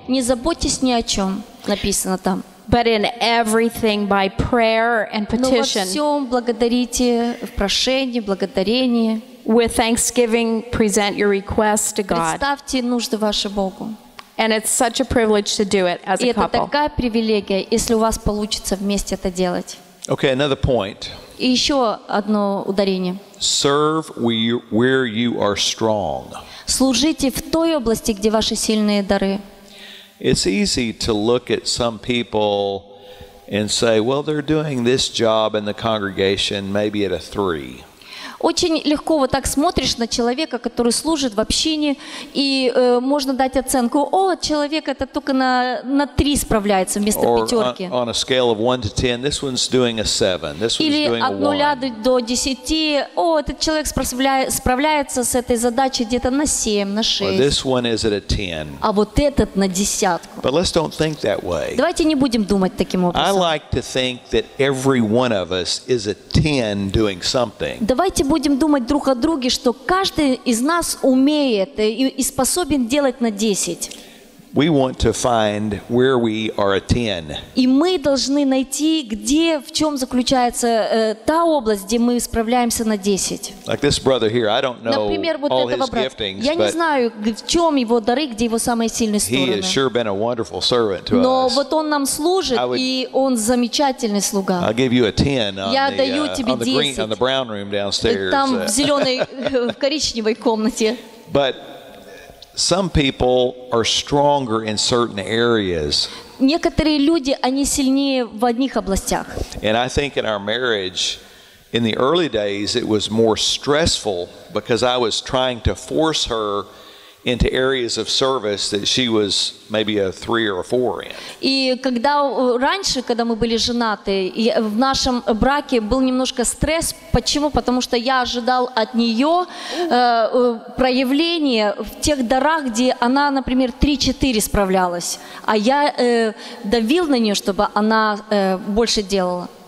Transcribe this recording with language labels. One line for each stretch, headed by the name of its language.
Russian: Не заботьтесь ни о чём, написано там.
English: But in everything by prayer and petition.
Russian: Но во всём благодарите в прошении, благодарении.
English: With thanksgiving present your requests to God.
Russian: Представьте нужды ваши Богу.
English: And it's such a privilege to do it as a couple.
Russian: И это такая привилегия, если у вас получится вместе это делать.
English: Okay, another point.
Russian: И ещё одно ударение.
English: Serve where you are strong.
Russian: Служите в той области, где ваши сильные дары.
English: It's easy to look at some people and say, well, they're doing this job in the congregation, maybe at a 3.
Russian: Очень легко вот так смотришь на человека, который служит в общине, и можно дать оценку: о, человек это только на 3 справляется вместо пятерки.
English: Or on a scale of 1 to 10, this one's doing a 7, this one's doing a 1.
Russian: Или от 0 до 10, о, этот человек справляется с этой задачей где-то на 7, на 6.
English: Or this one is at a 10.
Russian: А вот этот на 10.
English: But let's don't think that way.
Russian: Давайте не будем думать таким образом.
English: I like to think that every one of us is a 10 doing something.
Russian: Давайте будем думать друг о друге, что каждый из нас умеет и способен делать на 10.
English: We want to find where we are a 10.
Russian: И мы должны найти, где, в чём заключается та область, где мы справляемся на 10.
English: Like this brother here, I don't know.
Russian: Например, вот
English: all
Russian: этого брата.
English: Giftings,
Russian: я не знаю, в чём его дары, где его самые сильные стороны.
English: He has sure been a wonderful servant to
Russian: Но
English: us.
Russian: Но вот он нам служит, и он замечательный слуга.
English: I'll give you a 10 on
Russian: я
English: the,
Russian: даю тебе 10.
English: On the brown room downstairs.
Russian: Там в зелёной в коричневой комнате.
English: But some people are stronger in certain areas.
Russian: Некоторые люди, они сильнее в одних областях.
English: And I think in our marriage, in the early days, it was more stressful because I was trying to force her into areas of service that she was maybe a 3 or 4 in.
Russian: И когда раньше, когда мы были женаты, в нашем браке был немножко стресс. Почему? Потому что я ожидал от неё проявления в тех дарах, где она, например, 3-4 справлялась, а я давил на неё, чтобы она больше делала.